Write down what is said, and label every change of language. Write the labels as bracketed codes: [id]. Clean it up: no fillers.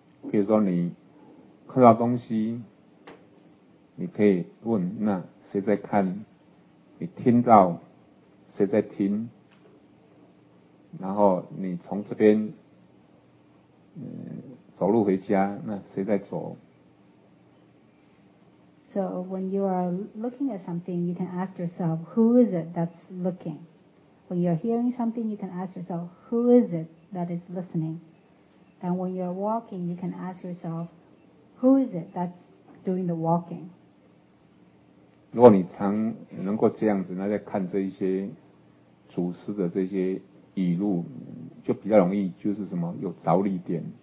[zh] 比如说你看到东西，你可以问那谁在看，你听到谁在听，然后你从这边走路回家，那谁在走？ [en] So when you are looking at something, you can ask yourself, who is it that's looking? When you are hearing something, you can ask yourself, who is it that is listening? And when you are walking, you can ask yourself, who is it that's doing the walking? [zh] 如果你常能够这样子，那在看这一些祖师的这些语录，就比较容易，就是什么有着力点。